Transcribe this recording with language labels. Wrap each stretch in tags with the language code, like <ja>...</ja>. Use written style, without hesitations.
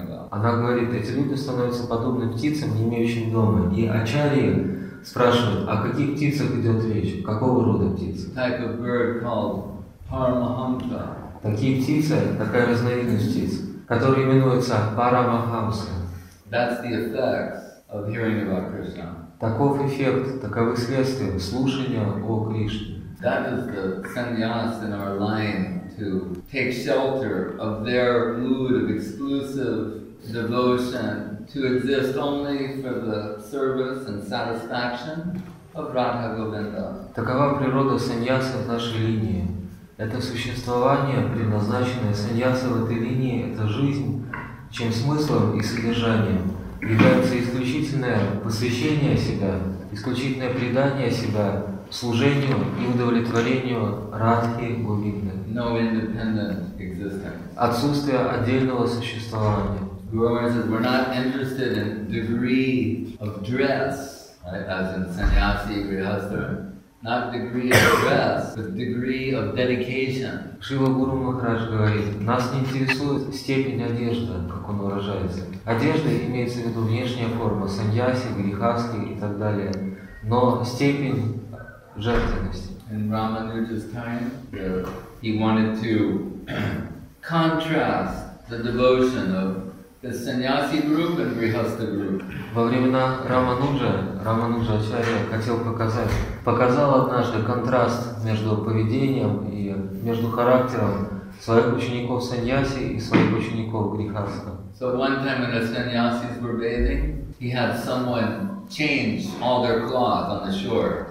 <ru>Она говорит, эти люди становятся подобны птицам, не имеющим дома. И Ачарьи спрашивают, о каких птицах идет речь, какого рода птицы?</ru> <en>Type of bird called Paramahamsa.</en> <ru>Такие птицы, такая разновидность птиц, которые именуются Парамахамса.</ru> <en>That's the effect of hearing about Krishna.</en> <ru>Таков эффект, таковы следствия слушания о Кришне.</ru> <en>That is the sannyas in our line to take shelter of their mood of exclusive devotion, to exist only for the service and satisfaction of Radha Govinda.</en> <ru>Такова природа саньяса в нашей линии. Это существование, предназначенное саньяса в этой линии, это жизнь, чем смыслом и содержанием является исключительное посвящение себя, исключительное предание себя служению и удовлетворению Радхи Говинды.</ru> <en>No independent existence.</en> <ru>Отсутствие отдельного существования.</ru> <en>Guru Maharaj says, we're not interested in degree of dress, right, as in sannyasi, grihastha. Not degree of dress, but degree of dedication.</en> <ru>Шрила Гуру Махарадж говорит, нас не интересует степень одежды, как он выражается. Одежда имеется в виду внешняя форма, сандьяси, грихастхи и так далее. Но степень жертвенности.</ru> <en>In Ramanuja's time, he wanted to contrast the devotion of the sannyasi group and grihastha group.</en> <ru>Во времена Рамануджа Ачарья хотел показал однажды контраст между поведением и между характером своих учеников саньяси и своих учеников грихастха.</ru> <en>So one time when the sannyasis were bathing, he had someone change all their clothes on the shore.</en>